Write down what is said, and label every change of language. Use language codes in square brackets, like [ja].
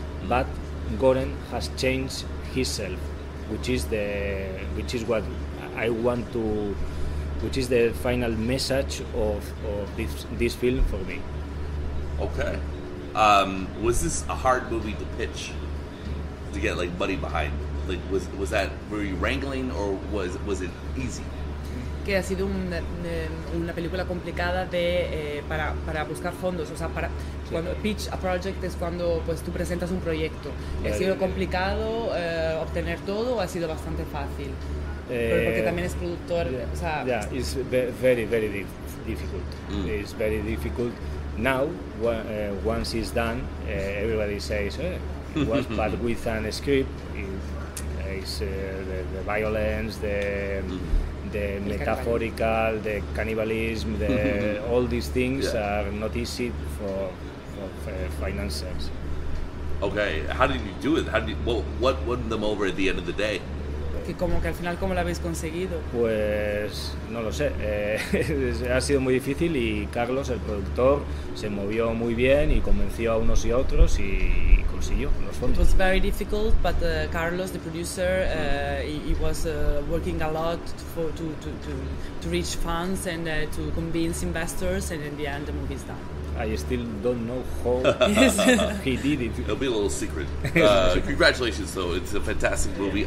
[en] But Goren has changed himself, which is the final message of this film for me. Okay. Was this a hard movie to pitch? To get like money behind? Like was that very wrangling or was it easy? [es] Que ha sido una película complicada de para buscar fondos, o sea, para sí. Cuando [en] pitch a project [es] es cuando pues tú presentas un proyecto. Vale. ¿Ha sido complicado obtener todo o ha sido bastante fácil? Porque también es productor, [en] yeah, [es] o sea, [en] yeah, it's very very difficult. Mm. It's very difficult. Now once it's done, everybody says, "What's but with a script, it's the violence, the metaphorical, the cannibalism, the all these things are not easy for financiers. Okay, how did you do it? What won them over at the end of the day? [es] Que como que al final cómo lo habéis conseguido? Pues no lo sé. ha sido muy difícil y Carlos, el productor, se movió muy bien y convenció a unos y a otros y consiguió los fondos. [en] It was very difficult, but Carlos, the producer, he was working a lot to reach funds and to convince investors, and in the end the movie is done. I still don't know how he did it. It'll be a little secret. congratulations, though. It's a fantastic movie.